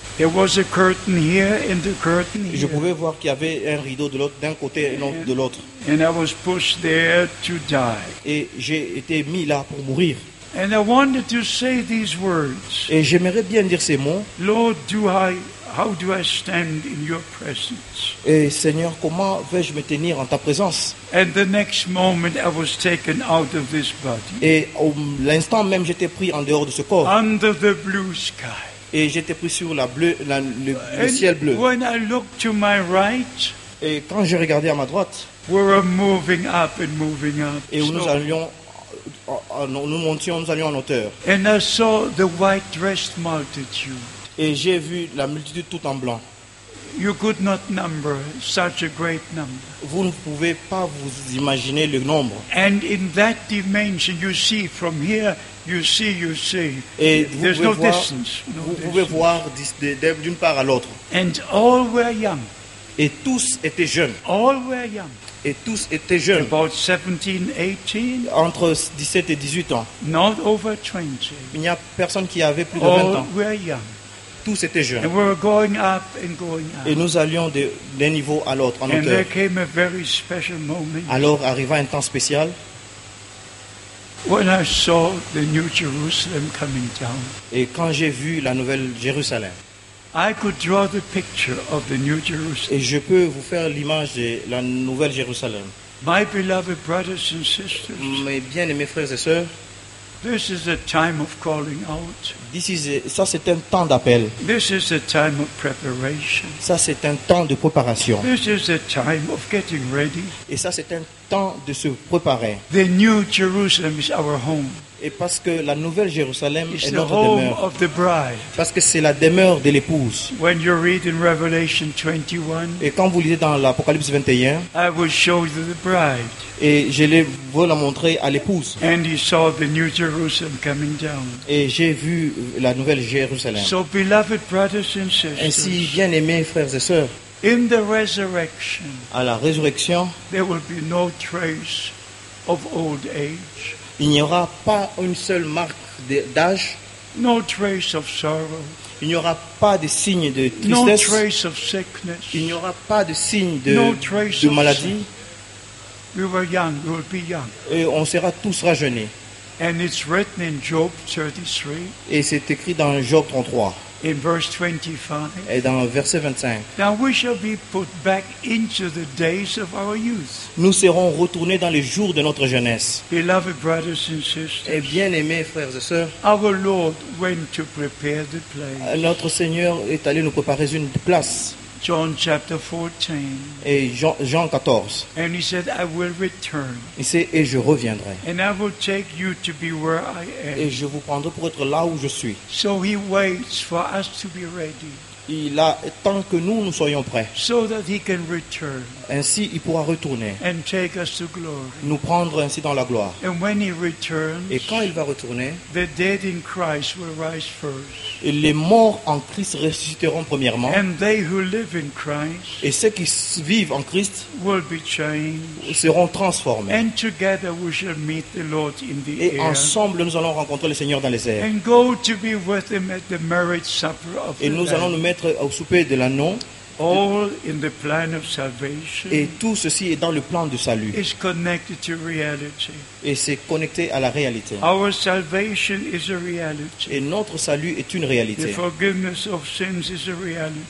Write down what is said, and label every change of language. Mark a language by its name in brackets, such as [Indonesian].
[English] There was a curtain here and the curtain here. [French] Je pouvais voir qu'il y avait un rideau de l'autre, d'un côté et l'autre de l'autre. [English] And I was pushed there to die. [French] Et j'ai été mis là pour mourir. [English] And I wanted to say these words. [French] Et j'aimerais bien dire ces mots. [English] Lord, how do I stand in your presence? [French] Et Seigneur, comment vais-je me tenir en ta présence? [English] And the next moment I was taken out of this body. [French] Et au l'instant même j'étais pris en dehors de ce corps. [English] Under the blue sky. [French] Et j'étais pris sur le ciel bleu. [English] When I looked to my right, [French] et quand je regardais à ma droite, [English] we were moving up and moving up. [French] Et où nous allions, nous montions, nous allions en hauteur. [English] And I saw the white dressed multitude. [French] Et j'ai vu la multitude tout en blanc. [English] You could not number such a great number. [French] Vous ne pouvez pas vous imaginer le nombre. [English] And in that dimension, you see from here, you see. [French] Et [English] there's no distance. [French] Vous pouvez voir d'une part à l'autre. [English] And all were young. [French] Et tous étaient jeunes. [English] All were young. [French] Et tous étaient jeunes. [English] About 17, 18. [French] Entre 17 et 18 ans. [English] Not over 20. [French] Il n'y a personne qui avait plus de 20 ans. [English] All were young. [French] tous étaient jeunes. [English] And we were going up and going up. [French] Et nous allions d'un niveau à l'autre, en hauteur. [English] And there came a very special moment. [French] Alors arriva un temps spécial. [English] When I saw the new Jerusalem coming down. [French] Et quand j'ai vu la nouvelle Jérusalem. [English] I could draw the picture of the new Jerusalem. [French] Et je peux vous faire l'image de la nouvelle Jérusalem. [English] My beloved brothers and sisters. [French] Mes bien-aimés frères et sœurs. [English] This is a time of calling out. [French] Ça c'est un temps d'appel. [English] This is a time of preparation. [French] Ça c'est un temps de préparation. [English] This is a time of getting ready. [French] Et ça c'est un temps de se préparer. [English] The new Jerusalem is our home. [French] Et parce que la nouvelle Jérusalem [English] it's [French] est notre demeure. [English] Of the bride. [French] Parce que c'est la demeure de l'épouse. [English] When you read in Revelation 21, [French] et quand vous lisez dans l'Apocalypse 21, [English] I will show you the bride. [French] Et je vais la montrer à l'épouse. [English] And you saw the new Jerusalem coming down. [French] Et j'ai vu la nouvelle Jérusalem. [English] So, beloved brothers and sisters, [French] ainsi, bien-aimés frères et sœurs, [English] in the resurrection, [French] à la résurrection, [English] there will be no trace of old age. [French] Il n'y aura pas une seule marque d'âge. [English] No trace of sorrow. [French] Il n'y aura pas de signe de tristesse. [English] No trace of sickness. [French] Il n'y aura pas de signe de maladie. [English] We were young. We will be young. [French] Et on sera tous rajeunis. [English] And it's written in Job 33. [French] Et c'est écrit dans Job 33. [English] In verse 25. [French] Et dans verset 25. [English] Now we shall be put back into the days of our youth. [French] Nous serons retournés dans les jours de notre jeunesse. [English] Beloved brothers and sisters. [French] Et bien-aimés frères et sœurs. [English] Our Lord went to prepare the place. [French] Notre Seigneur est allé nous préparer une place. [English] John chapter 14. [French] Et Jean 14. [English] And he said, I will return. [French] Il dit, et je reviendrai. [English] And I will take you to be where I am. [French] Et je vous prendrai pour être là où je suis. [English] So he waits for us to be ready. [French] Il a tant que nous soyons prêts. [English] So that he can return. [French] Ainsi, il pourra retourner. [English] And take us to glory. [French] Nous prendre ainsi dans la gloire. [English] And when he returns, [French] et quand il va retourner, [English] the dead in Christ will rise first. [French] Et les morts en Christ ressusciteront premièrement. [English] And they who live in Christ, [French] et ceux qui vivent en Christ [English] will be changed, [French] seront transformés. [English] And together we shall meet the Lord in the [French] et [English] air, [French] ensemble, nous allons rencontrer le Seigneur dans les airs. [English] And go to be with him at the marriage supper of [French] et nous allons nous mettre au souper de l'agneau. [English] All in the plan of salvation. [French] Et tout ceci est dans le plan de salut. [English] It's connected to reality. [French] Et c'est connecté à la réalité. [English] Our salvation is a reality. [French] Et notre salut est une réalité. [English] The forgiveness of sins is a reality.